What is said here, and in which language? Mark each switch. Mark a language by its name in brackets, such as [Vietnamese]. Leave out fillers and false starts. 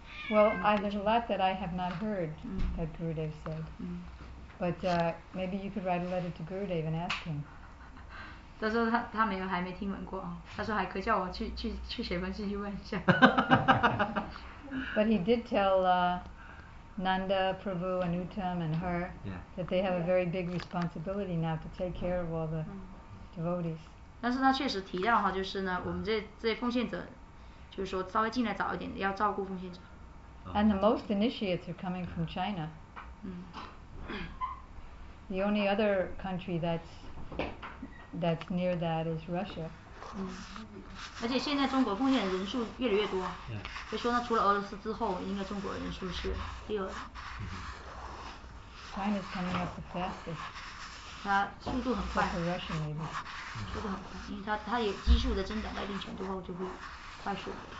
[English] Well, there's a lot that I have not heard that Gurudev said. But maybe you could write a letter to Gurudev and ask him. [Chinese] 他说他没有还没听闻过啊，他说还可以叫我去写封信去问一下。 [English] But he did tell Nanda, Prabhu, Anuttam, and her that they have a very big responsibility now to take care of all the devotees. [Chinese] 但是他确实提到哈，就是呢，我们这奉献者，就是说稍微进来早一点，要照顾奉献者。 [English] And the most initiates are coming from China. The only other country that's near that is Russia. [Chinese] 而且现在中国奉献人数越来越多。 [English] Yeah. [Chinese] 就说呢，除了俄罗斯之后，应该中国人数是第二。 [English] China's coming up the fastest. [Chinese] 它速度很快。 [English] Except for Russia, maybe. [Chinese] 速度很快，因为它有基数的增长，到一定程度后就会快速。